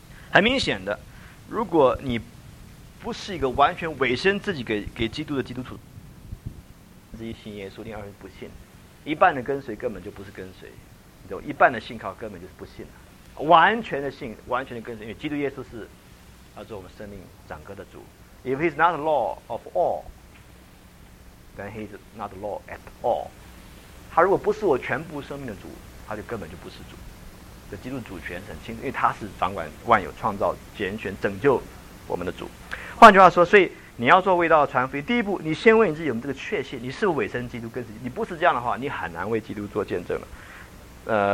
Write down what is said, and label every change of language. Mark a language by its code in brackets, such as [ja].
[zh] 很明显的，如果你不是一个完全委身自己给基督的基督徒，自己信耶稣，另外不信，一半的跟随根本就不是跟随，你懂？一半的信靠根本就是不信，完全的信，完全的跟随，因为基督耶稣是要做我们生命整个的主。 [en] If he's not the Lord of all, then he's not the Lord at all。 [zh] 他如果不是我全部生命的主，他就根本就不是主。这基督主权是很清楚，因为他是掌管万有、创造、拣选、拯救。我们的主，换句话说，所以你要做卫道的传福音，第一步你先问你自己有没有这个确信，你是不是委身基督跟随？你不是这样的话，你很难为基督做见证了。